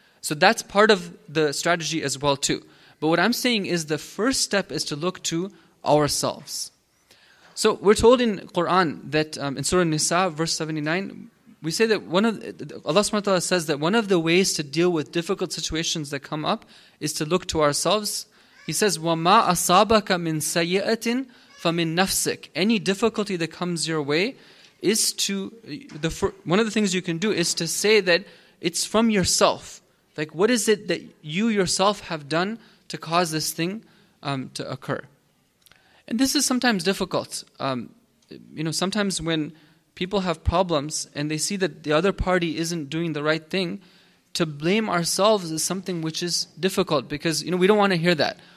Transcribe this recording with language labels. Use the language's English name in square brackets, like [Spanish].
[English] So that's part of the strategy as well too. But what I'm saying is the first step is to look to ourselves. So we're told in Quran that in Surah Nisa, verse 79, we say that Allah subhanahu wa ta'ala says that one of the ways to deal with difficult situations that come up is to look to ourselves. He says, [Arabic] وَمَا أَصَابَكَ مِنْ سَيِّئَةٍ فَمِنْ نَفْسِكَ. [English] Any difficulty that comes your way is to, one of the things you can do is to say that it's from yourself. Like, what is it that you yourself have done to cause this thing to occur? And this is sometimes difficult. You know, sometimes when people have problems and they see that the other party isn't doing the right thing, to blame ourselves is something which is difficult because, you know, we don't want to hear that.